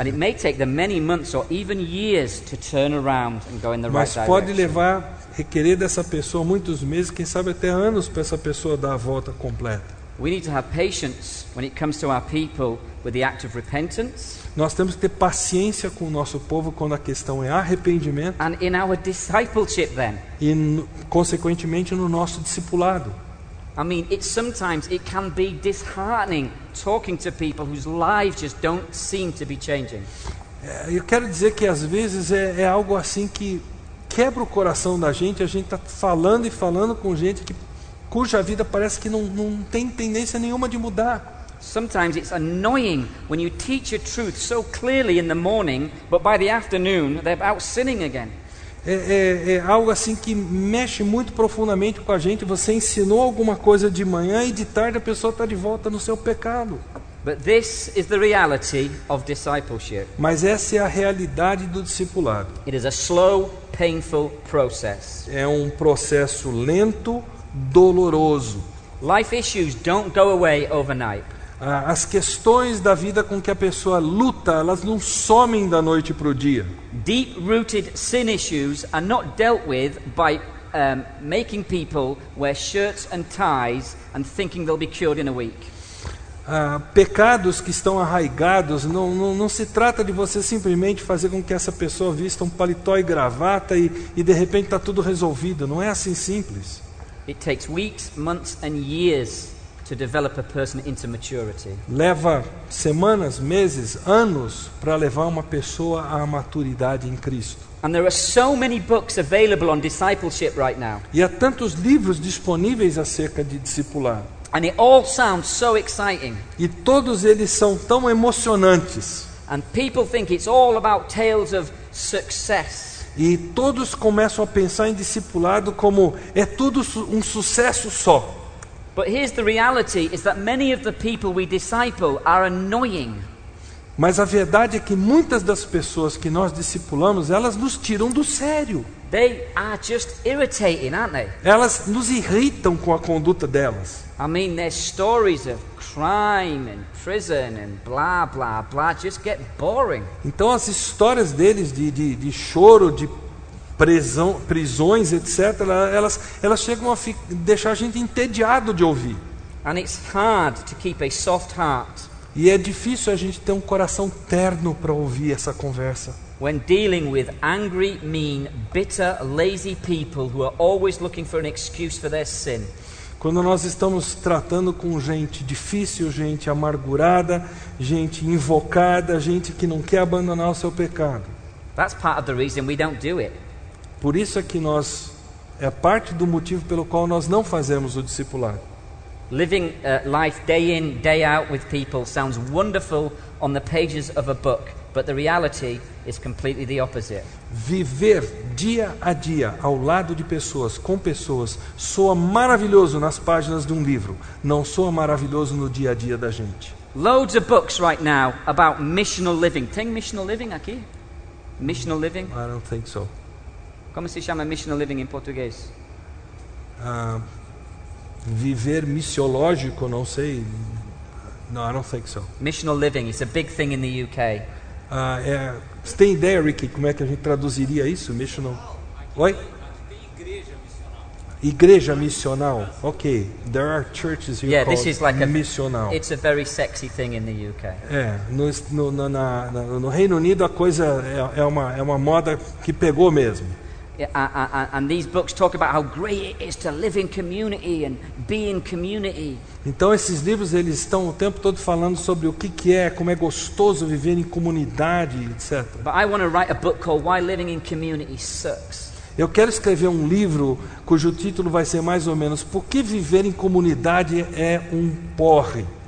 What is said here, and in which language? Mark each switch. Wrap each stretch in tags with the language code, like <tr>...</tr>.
<en>And it may take them many months or even years to turn around and go in the</en> <pt>Mas</pt> <en>right</en> <pt>pode</pt> <en>direction.</en> <pt>Levar requerer dessa pessoa muitos meses, quem sabe até anos para essa pessoa dar a volta completa.</pt> <en>We need to have patience when it comes to our people with the act of repentance.</en> <pt>Nós temos que ter paciência com o nosso povo quando a questão é arrependimento.</pt> <en>And in our discipleship then.</en> <pt>E consequentemente no nosso discipulado.</pt> <en>I mean, it can be disheartening talking to people whose lives just don't seem to be changing.</en> <pt>Eu quero dizer que às vezes é algo assim que quebra o coração da gente. A gente está falando e falando com gente cuja vida parece que não tem tendência nenhuma de mudar.</pt> <en>Sometimes it's annoying when you teach a truth so clearly in the morning, but by the afternoon they're out sinning again.</en> <pt>É algo assim que mexe muito profundamente com a gente. Você ensinou alguma coisa de manhã e de tarde a pessoa está de volta no seu pecado.</pt> <en>But this is the reality of discipleship.</en> <pt>Mas essa é a realidade do discipulado.</pt> <en>It is a slow, painful process.</en> <pt>É um processo lento, doloroso.</pt> <en>Life issues don't go away overnight.</en> <pt>As questões da vida com que a pessoa luta, elas não somem da noite para o dia.</pt> <en>Deep-rooted sin issues are not dealt with by making people wear shirts and ties and thinking they'll be cured in a week.</en> <pt>Pecados que estão arraigados, não se trata de você simplesmente fazer com que essa pessoa vista um paletó e gravata e de repente está tudo resolvido. Não é assim simples.</pt> <en>It takes weeks, months and years to develop a person into maturity.</en> <pt>Leva semanas, meses, anos para levar uma pessoa à maturidade em Cristo.</pt> <en>And there are so many books available on discipleship right now.</en> <pt>E há tantos livros disponíveis acerca de discipular.</pt> <en>And it all sounds so exciting.</en> <pt>E todos eles são tão emocionantes.</pt> <en>And people think it's all about tales of success.</en> <pt>E todos começam a pensar em discipulado como é tudo um sucesso só.</pt> <en>But here's the reality is that many of the people we disciple are annoying.</en> <pt>Mas a verdade é que muitas das pessoas que nós discipulamos, elas nos tiram do sério.</pt> <en>They are just irritating, aren't they?</en> <pt>Elas nos irritam com a conduta delas.</pt> <en>I mean, their stories of crime and prison and blah blah blah just get boring.</en> <pt>Então as histórias deles de choro, de prisões, etc., elas chegam a deixar a gente entediado de ouvir.</pt> <en>And it's hard to keep a soft heart.</en> <pt>E é difícil a gente ter um coração terno para ouvir essa conversa.</pt> <en>When dealing with angry, mean, bitter, lazy people who are always looking for an excuse for their sin.</en> <pt>Quando nós estamos tratando com gente difícil, gente amargurada, gente invocada, gente que não quer abandonar o seu pecado.</pt> <en>That's part of the reason we don't do it.</en> <pt>Por isso é que nós é parte do motivo pelo qual nós não fazemos o discipulado.</pt> <en>Living life day in day out with people sounds wonderful on the pages of a book, but the reality is completely the opposite.</en> <pt>Viver dia a dia ao lado de pessoas, com pessoas, soa maravilhoso nas páginas de um livro, não soa maravilhoso no dia a dia da gente.</pt> <en>Loads of books right now about missional living.</en> <pt>Tem missional living aqui? Missional living?</pt> <en>I don't think so.</en> <pt>Como se chama missional living em português? Viver missiológico, não sei.</pt> <en>No, I don't think so. Missional living, it's a big thing in the UK.</en> <pt>Você tem ideia, Ricky, como é que a gente traduziria isso? Missional. Oi? Aqui tem igreja missional. Igreja missional,</pt> <en>ok. There are churches you call this is like missional. A, it's a very sexy thing in the UK.</en> <pt>É, no Reino Unido a coisa é uma moda que pegou mesmo.</pt> <en>And these books talk about how great it is to live in community and be in community.</en> <pt>Então esses livros eles estão o tempo todo falando sobre o que é, como é gostoso viver em comunidade, etc.</pt> <en>But I want to write a book called Why Living in Community Sucks.</en> <pt>Eu quero escrever um livro cujo título vai ser mais ou menos Por que viver em comunidade é um porre?</pt>